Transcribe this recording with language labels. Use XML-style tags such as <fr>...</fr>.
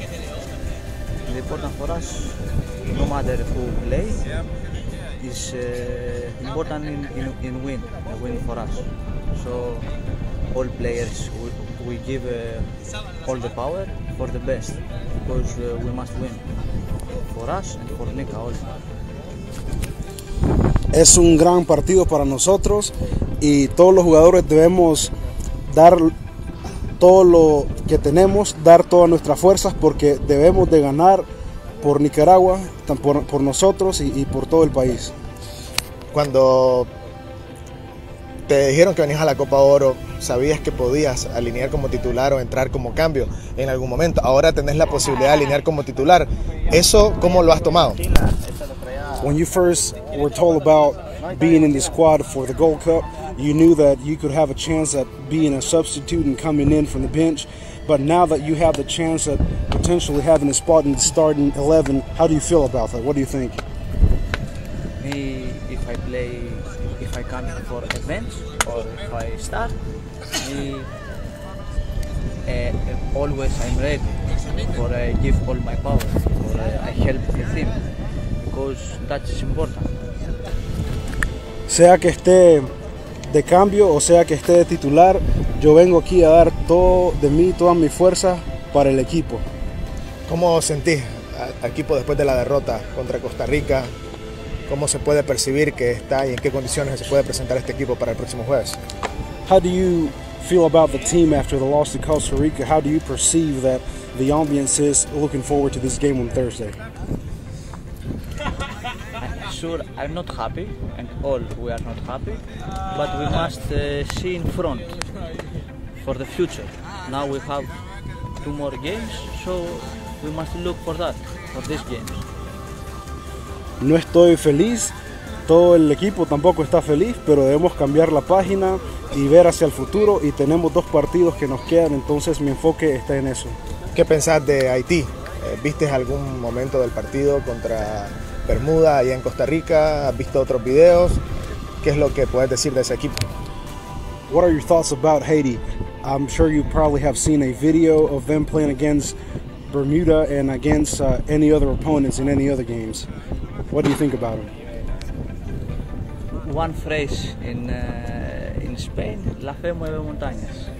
<en>The important for us, no matter who plays, is important in win for us. So all players, we give all the power for the best, because we must win for us and for Nika also.</en> <es>Es un gran partido para nosotros y todos los jugadores debemos dar todo lo que tenemos, dar todas nuestras fuerzas, porque debemos de ganar por Nicaragua, por nosotros y por todo el país. Cuando te dijeron que venías a la Copa Oro, ¿sabías que podías alinear como titular o entrar como cambio en algún momento? Ahora tenés la posibilidad de alinear como titular. ¿Eso cómo lo has tomado?</es> <en>When you first were told about being in the squad for the Gold Cup, you knew that you could have a chance at being a substitute and coming in from the bench. But now that you have the chance at potentially having a spot in the starting 11, how do you feel about that? What do you think? Me, if I play, if I come for a bench or if I start, me, always I'm ready for I give all my power, for I help the team, because that is important.</en> <es>Sea que esté de cambio o sea que esté de titular, yo vengo aquí a dar todo de mí, todas mis fuerzas para el equipo. ¿Cómo sentís al equipo después de la derrota contra Costa Rica? ¿Cómo se puede percibir que está y en qué condiciones se puede presentar este equipo para el próximo jueves?</es> <en>How do you feel about the team after the loss to Costa Rica? How do you perceive that the ambiance is looking forward to this game on Thursday? Sure, I'm not happy, and all we are not happy, but we must see in front for the future. Now we have two more games, so we must look for that, for this game.</en> <es>No estoy feliz, todo el equipo tampoco está feliz, pero debemos cambiar la página y ver hacia el futuro, y tenemos dos partidos que nos quedan, entonces mi enfoque está en eso. ¿Qué pensás de Haití? ¿Viste algún momento del partido contra Bermuda allá en Costa Rica? ¿Has visto otros videos? ¿Qué es lo que puedes decir de ese equipo?</es> <en>What are your thoughts about Haiti? I'm sure you probably have seen a video of them playing against Bermuda and against any other opponents in any other games. What do you think about them? One phrase in Spain,</en> <es>la fe mueve montañas.</es>